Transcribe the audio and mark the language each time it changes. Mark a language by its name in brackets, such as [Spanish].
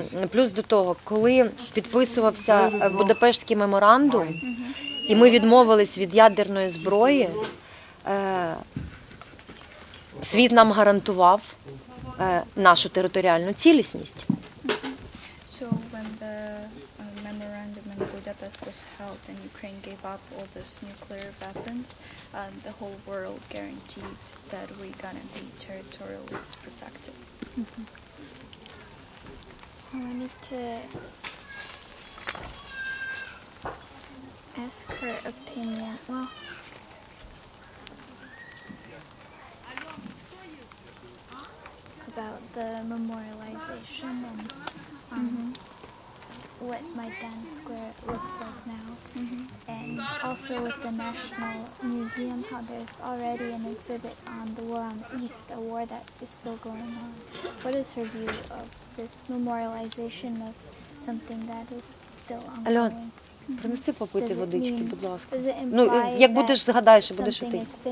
[Ukrainian] Плюс до того, коли підписувався Будапештський меморандум, і ми відмовились від ядерної зброї, світ нам гарантував нашу територіальну цілісність. [English] So when the memorandum in Budapest was held and Ukraine gave up all those nuclear weapons, the whole world guaranteed that we're gonna be territorially protected. I need to ask her opinion. Well, about the memorialization and what Maidan Square looks like now, and also with the National Museum, how there's already an exhibit on the war on the East, a war that is still going on. What is her view of this memorialization of something that is still ongoing? [Ukrainian] Принеси попити водички, будь ласка. Ну, як будеш, згадаєш, що будеш іти.